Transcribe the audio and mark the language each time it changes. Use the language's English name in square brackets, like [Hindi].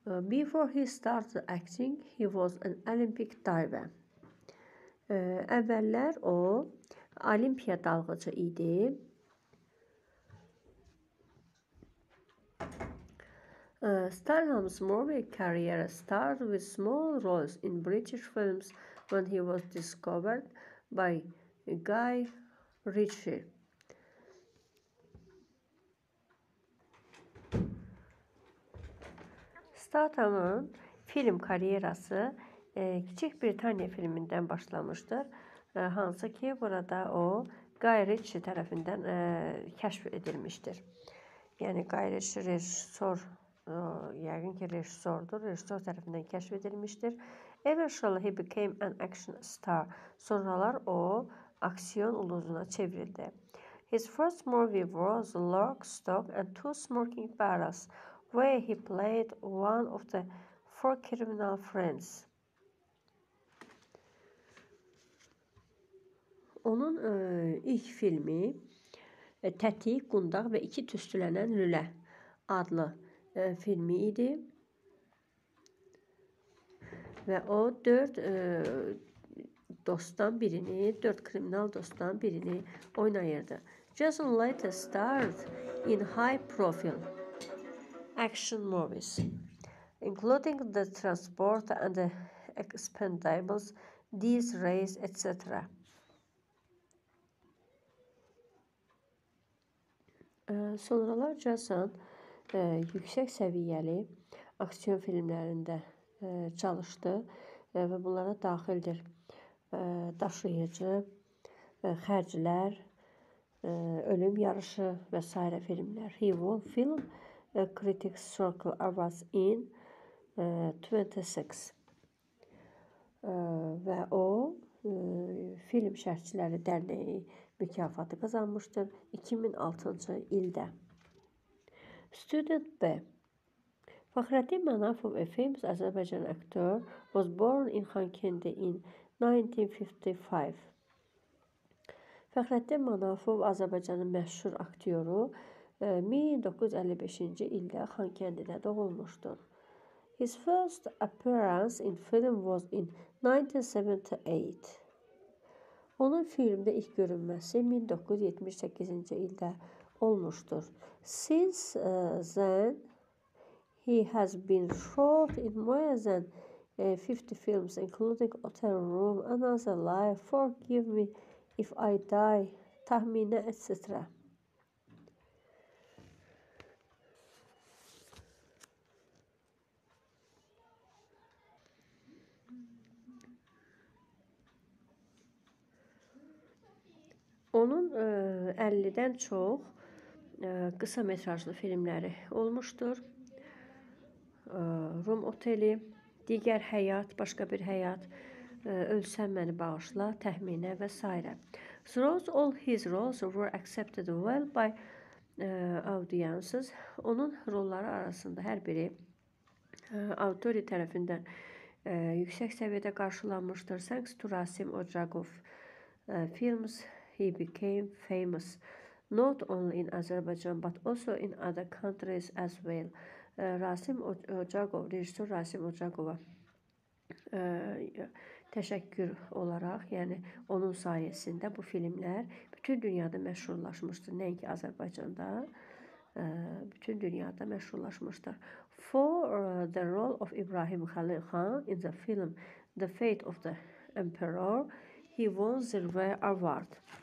[English] Before he started acting, he was an Olympic diver. [Azerbaijani] Əvvəllər o olimpiya dalğıcı idi. [English] Statham's movie career started with small roles in British films when he was discovered by Guy Ritchie. [Azerbaijani] Statham'ın film kariyerası Kiçik Britaniya filmindən başlamışdır. Hansı ki, burada o Guy Ritchie tərəfindən kəşf edilmişdir. Yəni, Guy Ritchie rejissor, yəqin ki, rejissordur, rejissor tərəfindən kəşf edilmişdir. [English] Eventually, he became an action star. [Azerbaijani] Sonralar o, aksiyon ulduzuna çevrildi. [English] His first movie was Lock, Stock and Two Smoking Barrels, where he played one of the four criminal friends. [Azerbaijani] Onun ilk filmi Tətik, Qundaq və İki Tüstülənən Lülə adlı filmi idi. Və o, dörd kriminal dostdan birini oynayırdı. [English] Jason later starred in high profile action movies, including The Transporter and The Expendables, These Race, etc. [Azerbaijani] Sonralar Jason yüksək səviyyəli aksiyon filmlərində çalışdı və bunlara daxildir Daşıyıcı, Xərclər, Ölüm Yarışı və s. filmlər. [English] He won Film Critics Circle Awards in 26 [Azerbaijani] və o Film Şərhçiləri Dərneyi mükafatı qazanmışdır 2006-cı ildə. [English] Student B. Fəxrəddin Mənafov, a famous Azərbaycan actor, was born in Xankəndi in 1955. [Azerbaijani] Fəxrəddin Mənafov, Azərbaycanın məşhur aktyoru, 1955-ci ildə Xankəndidə doğulmuşdur. [English] His first appearance in film was in 1978. [Azerbaijani] Onun filmdə ilk görünməsi 1978-ci ildə olmuşdur. [English] Since then, he has been shot in more than 50 films, including Hotel Room, Another Life, Forgive Me If I Die, Tahminə, etc. [Azerbaijani] Onun 50-dən çox qısa metrajlı filmləri olmuşdur. Rum Oteli, Digər Həyat, Başqa Bir Həyat, Ölsən Məni Bağışla, Təhminə və s. [English] Throughout all his roles were accepted well by audiences. [Azerbaijani] Onun rolları arasında hər biri auditoriya tərəfindən yüksək səviyyədə qarşılanmışdır. [English] Thanks to Rasim Ocaqov Films, he became famous not only in Azerbaijan but also in other countries as well. [Azerbaijani] Rasim Ocaqov, rejissor Rasim Ocaqova təşəkkür olaraq, yəni onun sayəsində bu filmlər bütün dünyada məşhurlaşmışdır. Nəinki Azərbaycanda, bütün dünyada məşhurlaşmışdır. [English] For the role of Ibrahim Khalil Khan in the film The Fate of the Emperor, he won the Zirve Award.